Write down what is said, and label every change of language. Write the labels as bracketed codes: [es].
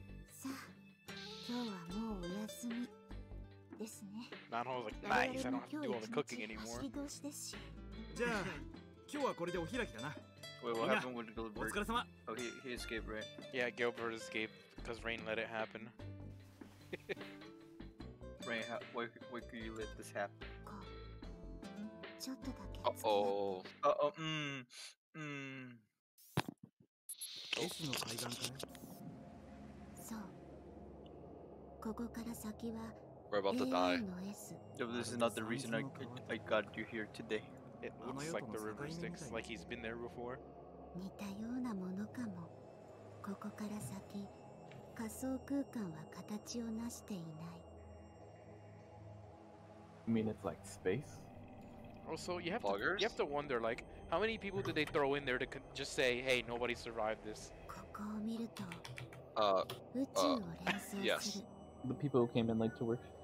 [ja] さあ、今日はもうお休みですね。なるほど、ナイス。 [en] I don't have to do all the cooking anymore. [ja] 走り通しですし。じゃあ、今日はこれでお開きだな。 [en] Wait, what happened with Gilbert? [ja] お疲れ様。 [en] Oh, he escaped, right? Yeah, Gilbert escaped because Rain let it happen. Rain, why could you let this happen? [ja] こう、ちょっとだけ [en] Uh-oh. [ja] S の階段かな。そう、ここから先は。 [en] We're about to die. Yo, this is not the reason I got you here today. It looks like the river sticks, like he's been there before. [ja] 似たようなものかも。ここから先、仮想空間は形を成していない。 [en] I mean, it's like space. Also, you have to wonder, like, how many people did they throw in there to just say, hey, nobody survived this? [ja] ここを見ると、宇宙を連想する。Yes. [en] The people who came in late to work.